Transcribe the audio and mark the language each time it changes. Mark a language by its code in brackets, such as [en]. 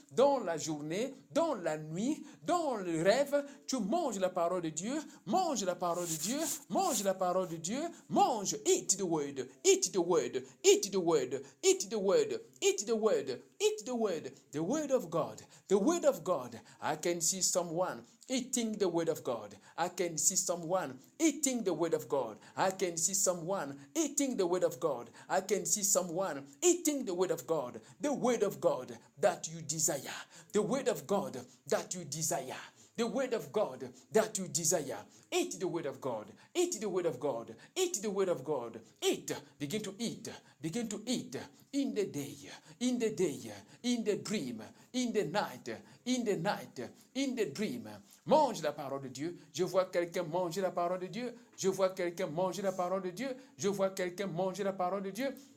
[fr] Dans la journée, dans la nuit, dans le rêve, tu manges la parole de Dieu. Mange la parole de Dieu, mange la parole de Dieu, mange, [en] eat the word, eat the word, eat the word, eat the word, eat the word, eat the word, the word of God, the word of God. I can see someone eating the word of God. I can see someone eating the word of God. I can see someone eating the word of God. I can see someone eating the word of God. The word of God that you desire, the word of God that you desire. the word of God that you desire. Eat the word of God. Eat the word of God. Eat the word of God. Eat. Begin to eat. Begin to eat in the day, in the day, in the dream, in the night, in the night, in the dream. [fr] Mange la parole de Dieu. Je vois quelqu'un manger la parole de Dieu. Je vois quelqu'un manger la parole de Dieu. Je vois quelqu'un manger la parole de Dieu.